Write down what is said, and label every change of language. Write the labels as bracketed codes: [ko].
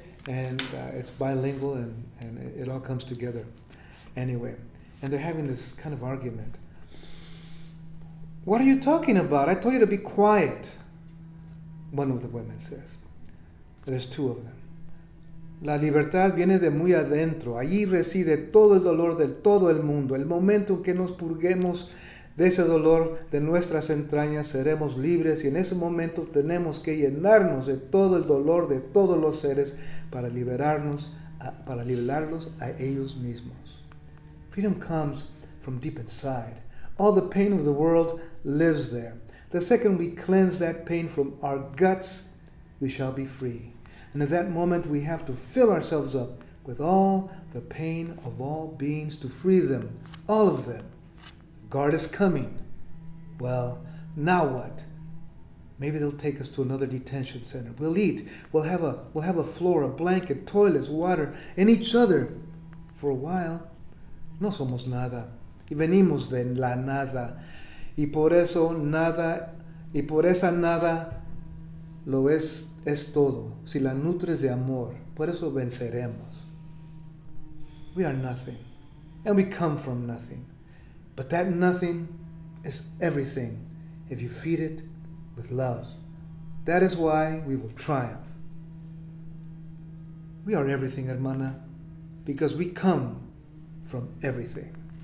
[en] And it's bilingual and it all comes together. Anyway, and they're having this kind of argument. What are you talking about? I told you to be quiet, one of the women says. There's two of them. [es] La libertad viene de muy adentro. Allí reside todo el dolor de todo el mundo. El momento en que nos purguemos de ese dolor de nuestras entrañas, seremos libres y en ese momento tenemos que llenarnos de todo el dolor de todos los seres para liberarlos a ellos mismos. [en] Freedom comes from deep inside. All the pain of the world lives there. The second we cleanse that pain from our guts, we shall be free. And at that moment, we have to fill ourselves up with all the pain of all beings to free them, all of them. Guard is coming. Well, now what? Maybe they'll take us to another detention center. We'll eat. We'll have a floor, a blanket, toilets, water, and each other for a while. [es] No somos nada, y venimos de la nada, y por esa nada lo es todo, si la nutres de amor, por eso venceremos. [en] We are nothing, and we come from nothing, but that nothing is everything if you feed it with love. That is why we will triumph. We are everything, hermana, because we come from everything.